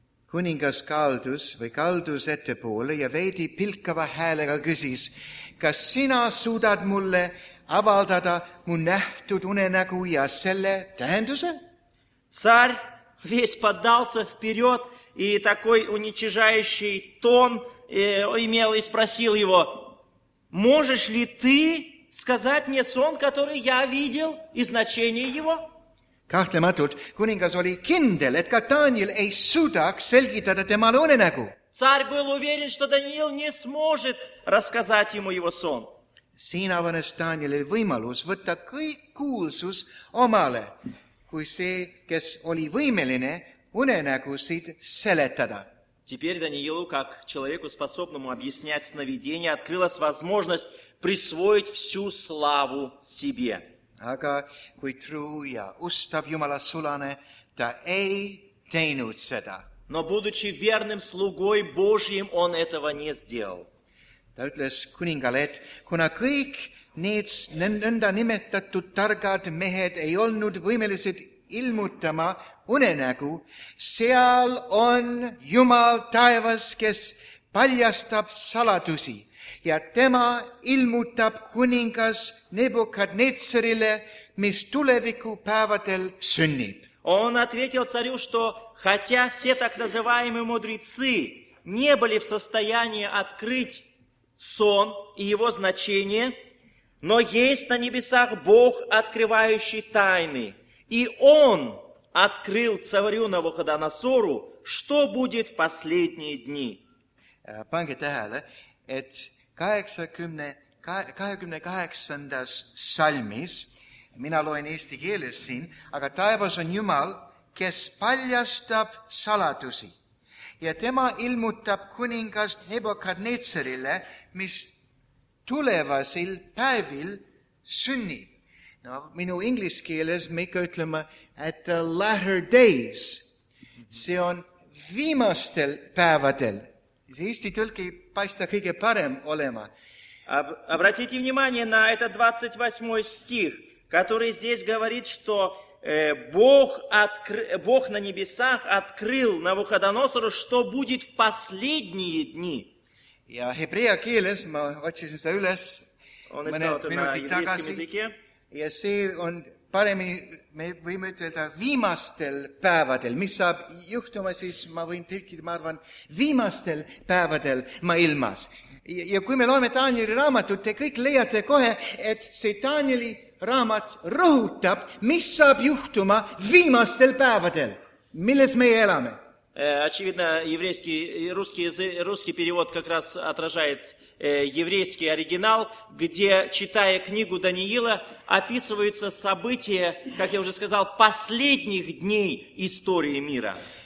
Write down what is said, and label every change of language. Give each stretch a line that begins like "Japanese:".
Estonian: Kuningas kaldus ette poole ja veidi pilkava häälega küsis, kas sina suudad mulle avaldada mu nähtud unenägu ja selle tähenduse?
Russian: Царь весь поддался вперед и такой уничижающий тон имел и спросил его, можешь ли ты сказать мне сон, который я видел, и значение его?
Estonian: Kahtlematult kuningas oli kindel, et ka Daniel ei suudaks selgitada temale unenägu.
Russian: Царь был уверен, что Даниил не сможет рассказать ему его сон.
Estonian: Siin avanes Danielil võimalus võtta kõik kuulsus omale, kui see, kes oli võimeline unenägusid seletada.
Russian: Теперь Даниилу, как человеку способному объяснять сновидение, открылась возможность присвоить всю славу себе.
Estonian: Aga kui truu ja ustav Jumala sulane, ta ei teinud seda.
Russian: Но будучи верным слугой Божьим, он этого не сделал.
Estonian: Ta ütles kuningale, et kuna kõik need nõnda nimetatud targad mehed ei olnud võimelised ilmutama unenägu, seal on Jumal taevas, kes paljastab saladusi ja tema ilmutab kuningas Nebukadnetsarile, mis tuleviku päevadel sünnib.
Russian: Он ответил царю, что хотя все так называемые мудрецы не были в состоянии открыть сон и его значение, но есть на небесах Бог, открывающий тайны, и Он открыл царю Навуходоносору, что будет в последние дни.
Estonian: Pange tähele, et 88. salmis, mina loen eesti keeles siin, aga taevas on Jumal, kes paljastab saladusi. Ja tema ilmutab kuningast Nebukadnetsarile, mis tulevasil päevil sünnib. No, minu inglise keeles me ikka ütleme,
English: at the latter days.
Estonian: See on viimastel päevadel. Eesti tõlki paista kõige parem olema.
Russian: Обратите внимание на этот 28 стих, который здесь говорит, что Бог на небесах открыл Навуходоносору, что будет в последние дни.
Estonian: Ja hebrea keeles, ma otsisin seda üles mõned minutid tagasi, ja see on paremini, me võime ütleda viimastel päevadel, mis saab juhtuma siis, ma võin tõlkida, ma arvan, viimastel päevadel ma ilmas. Ja kui me loeme Danieli raamatut, te kõik leiate kohe, et see Danieli raamat rõhutab, mis saab juhtuma viimastel päevadel, milles me elame.
Russian: Очевидно, еврейский, русский перевод как раз отражает еврейский оригинал, где, читая книгу Даниила, описываются события, как я уже сказал, последних дней истории мира.